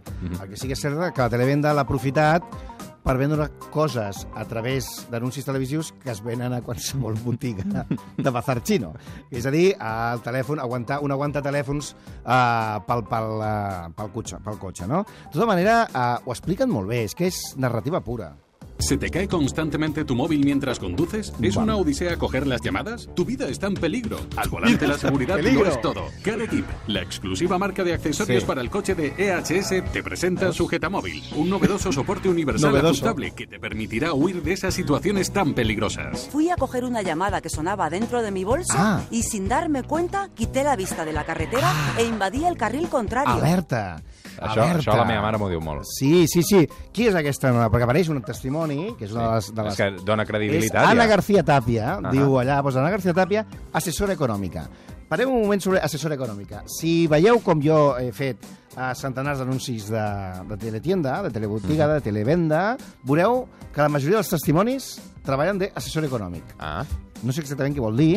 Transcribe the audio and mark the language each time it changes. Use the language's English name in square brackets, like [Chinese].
[Catalan] Mm-hmm. El que sí que és cert que la televenda l'ha aprofitat per vendre coses a través d'anuncis televisius que es venen a qualsevol botiga de bazar xino. És a dir, el telèfon, aguantar un aguanta telèfons pel cotxe, no? De tota manera, ho expliquen molt bé, és que és narrativa pura. [Spanish] ¿Se te cae constantemente tu móvil mientras conduces? ¿Es una odisea coger las llamadas? Tu vida está en peligro. Al volante la seguridad no es todo. CareEquip, la exclusiva marca de accesorios para el coche de EHS, te presenta Sujetamóvil, un novedoso soporte universal ajustable que te permitirá huir de esas situaciones tan peligrosas. Fui a coger una llamada que sonaba dentro de mi bolso y sin darme cuenta quité la vista de la carretera e invadí el carril contrario. ¡Alerta! [Catalan] Això la meva mare m'ho diu molt. Sí. Qui és aquesta nena? Perquè apareix un testimoni, que és una És que dona credibilitat. És Anna García Tapia, diu allà. Doncs Anna García Tapia, assessora econòmica. Parem un moment sobre assessora econòmica. Si veieu com jo he fet centenars d'anuncis de [Spanish] teletienda, [Catalan] de telebotiga, de televenda, veureu que la majoria dels testimonis treballen d'assessor econòmic. No sé exactament què vol dir.